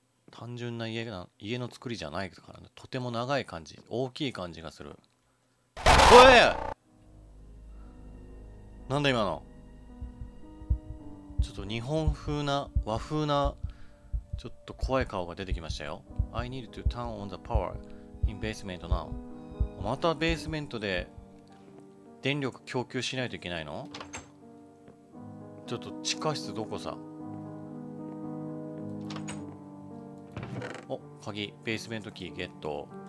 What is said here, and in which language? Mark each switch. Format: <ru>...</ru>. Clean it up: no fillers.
<ja>単純な家が、家の作りじゃないからね。とても長い感じ、大きい感じがする。おい、なんだ今の。ちょっと日本風な、和風な、ちょっと怖い顔が出てきましたよ。</ja> <en>I need to turn on the power in basement now。</en> <ja>またベースメントで電力供給しないといけないの。ちょっと地下室どこさ。お、鍵、ベースメントキーゲット。</ja>